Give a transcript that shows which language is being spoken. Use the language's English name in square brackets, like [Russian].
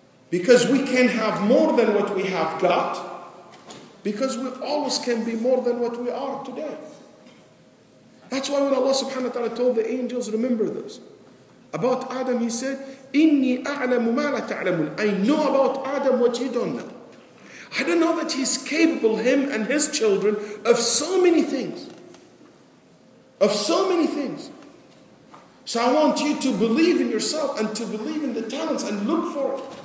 [English] Because we can have more than what we have got, because we always can be more than what we are today. That's why when Allah subhanahu wa ta'ala told the angels, remember this. About Adam, He said, [Arabic] إِنِّي أَعْلَمُ مَا لَا تَعْلَمُونَ. [English] I know about Adam what you don't know. I don't know that He's capable, Him and His children, of so many things. Of so many things. So I want you to believe in yourself and to believe in the talents and look for it.